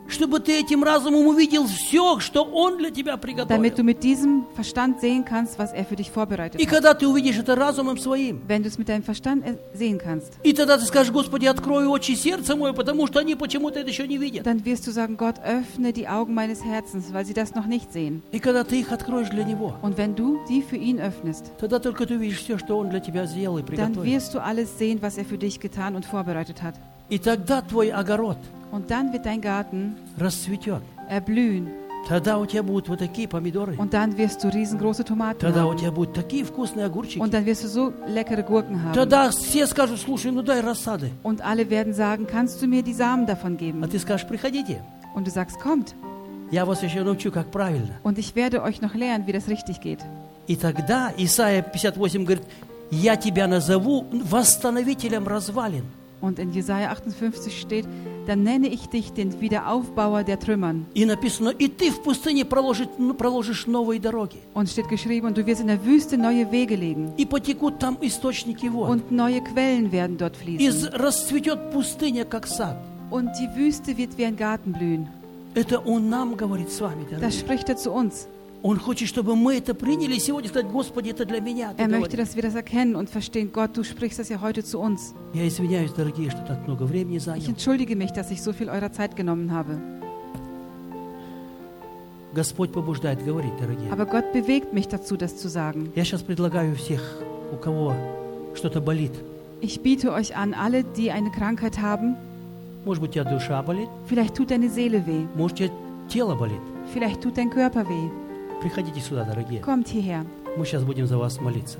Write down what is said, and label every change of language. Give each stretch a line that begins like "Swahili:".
Russian: Чтобы ты этим разумом увидел все, что он для тебя приготовил.
German: Damit du mit diesem Verstand sehen kannst, was er für dich vorbereitet hat.
Russian: И когда ты увидишь это разумом своим.
German: Wenn du es mit deinem Verstand sehen kannst.
Russian: И тогда ты скажешь: Господи, открой очи сердца мое, потому что они почему-то это еще не видят.
German: Dann wirst du sagen: Gott, öffne die Augen meines Herzens, weil sie das noch nicht sehen.
Russian: И когда ты их откроешь для него.
German: Und wenn du die für ihn öffnest,
Russian: тогда только ты увидишь все, что он для тебя сделал и приготовил.
German: Dann wirst du alles sehen, was er für dich getan und vorbereitet hat.
Russian: И тогда твой огород.
German: Und dann wird dein Garten
Russian: расцветет.
German: Erblühen.
Russian: Тогда у тебя будут вот такие помидоры.
German: Und dann wirst du riesengroße Tomaten
Russian: тогда
German: haben.
Russian: У тебя будут такие вкусные огурчики.
German: Und dann wirst du so leckere Gurken haben.
Russian: Тогда все скажут: слушай, ну дай рассады.
German: Und alle werden sagen: kannst du mir die Samen davon geben?
Russian: А ты скажешь: приходите.
German: Und du sagst: kommt.
Russian: Я вас еще научу, как правильно.
German: Und ich werde euch noch lernen, wie das richtig geht.
Russian: И тогда Исаия 58 говорит: я тебя назову восстановителем развалин.
German: Und in Jesaja 58 steht: dann nenne ich dich den Wiederaufbauer der Trümmern.
Russian: И написано: и ты в пустыне проложишь новые дороги.
German: Und steht geschrieben: und du wirst in der Wüste neue Wege legen.
Russian: И потекут там источники вод.
German: Und neue Quellen werden dort fließen.
Russian: И расцветет пустыня как сад.
German: Und die Wüste wird wie ein Garten blühen.
Russian: Это он нам говорит с вами, дорогие.
German: Das spricht er zu uns.
Russian: Он хочет, чтобы мы это приняли сегодня, сказать: Господи, это для меня.
German: Er möchte, dass wir das erkennen und verstehen: Gott, du sprichst das ja heute zu uns.
Russian: Я извиняюсь, дорогие, что так много времени занял.
German: Ich entschuldige mich, dass ich so viel eurer Zeit genommen habe.
Russian: Господь побуждает говорить, дорогие.
German: Aber Gott bewegt mich dazu, das zu sagen.
Russian: Я сейчас предлагаю всех, у кого что-то болит.
German: Ich biete euch an, alle, die eine Krankheit haben.
Russian: Может быть, у тебя душа болит?
German: Vielleicht tut deine Seele weh.
Russian: Может, у тебя тело болит?
German: Vielleicht tut dein Körper weh.
Russian: Приходите сюда, дорогие.
German: Kommt hierher.
Russian: Мы сейчас будем за вас молиться.